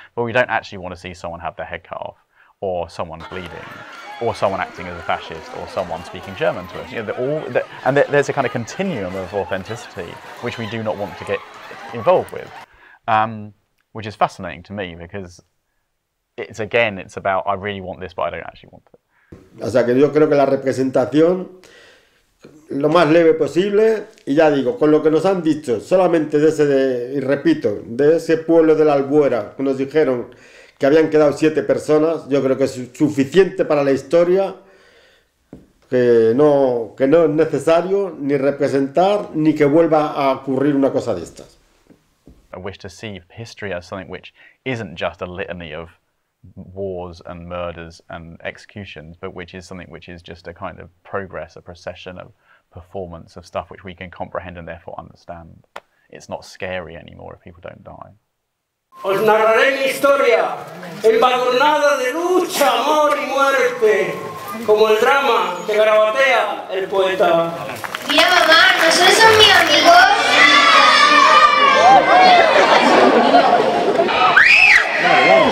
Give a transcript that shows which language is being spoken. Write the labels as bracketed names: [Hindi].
[English] But we don't actually want to see someone have their head cut off, or someone bleeding, or someone acting as a fascist, or someone speaking German to us. You know, there's a kind of continuum of authenticity which we do not want to get involved with, which is fascinating to me, because it's about I really want this but I don't actually want it. [Spanish] O sea que yo creo que la representación lo más leve posible, y ya digo, con lo que nos han dicho solamente de ese, y repito, de ese pueblo de la Albuera, que nos dijeron que habían quedado 7 personas, yo creo que es suficiente para la historia, que no es necesario ni representar ni que vuelva a ocurrir una cosa de estas. [English] I wish to see history as something which isn't just a litany of wars and murders and executions, but which is something which is just a kind of progress, a procession of performance of stuff which we can comprehend and therefore understand. it's not scary anymore if people don't die. [Spanish] Os narraré mi historia, embadurnada de lucha, amor y muerte, como el drama que garabatea el poeta. Mira, mamá, ¿no son esos mis amigos?